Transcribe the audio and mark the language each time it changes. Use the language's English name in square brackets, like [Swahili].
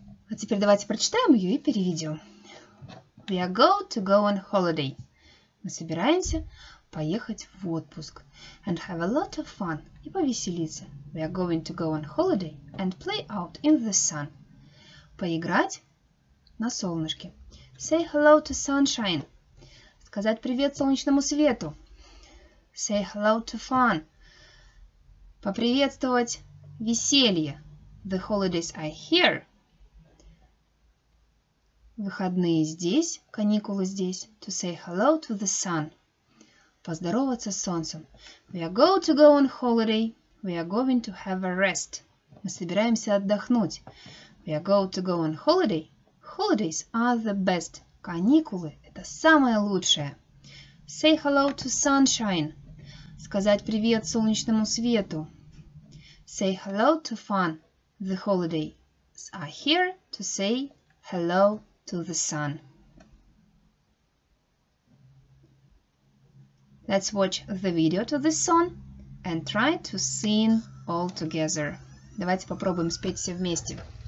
[Russian] А теперь давайте прочитаем ее и переведем. [English] We are going to go on holiday. [Russian] Мы собираемся поехать в отпуск. [English] And have a lot of fun. [Russian] И повеселиться. [English] We are going to go on holiday and play out in the sun. [Russian] Поиграть на солнышке. [English] Say hello to sunshine. [Russian] Сказать привет солнечному свету. [English] Say hello to fun. [Russian] Поприветствовать веселье. [English] The holidays are here. [Russian] Выходные здесь. Каникулы здесь. [English] To say hello to the sun. [Russian] Поздороваться с солнцем. [English] We are going to go on holiday. We are going to have a rest. [Russian] Мы собираемся отдохнуть. [English] We are going to go on holiday. Holidays are the best. [Russian] Каникулы – это самое лучшее. [English] Say hello to sunshine. [Russian] Сказать привет солнечному свету. [English] Say hello to fun. The holidays are here to say hello to the sun. Let's watch the video to this song and try to sing all together. [Russian] Давайте попробуем спеть все вместе.